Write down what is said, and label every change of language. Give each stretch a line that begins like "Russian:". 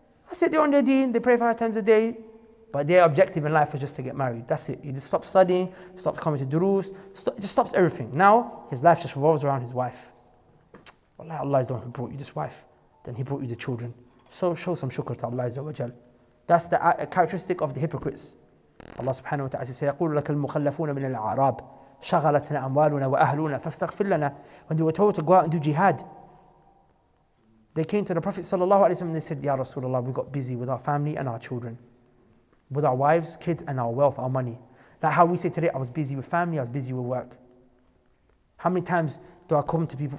English: That's it, they're on their deen, they pray 5 times a day, but their objective in life is just to get married. That's it. He just stops studying, stops coming to durus, just stops everything. Now, his life just revolves around his wife. Allah is the one who brought you this wife. Then he brought you the children. So show some shukr to Allah Azza wa Jal. That's the characteristic of the hypocrites. Allah subhanahu wa ta'ala says,
Arabic: يقول لك المخلفون من العرب شغلتنا أموالنا وأهلنا فاستغفر لنا.
English: When they were told to go out and do jihad, they came to the Prophet sallallahu alayhi wa sallam and they said, Ya Rasulullah, we got busy with our family and our children, with our wives, kids, and our wealth, our money. Like how we say today, I was busy with family, I was busy with work. How many times do I come to people?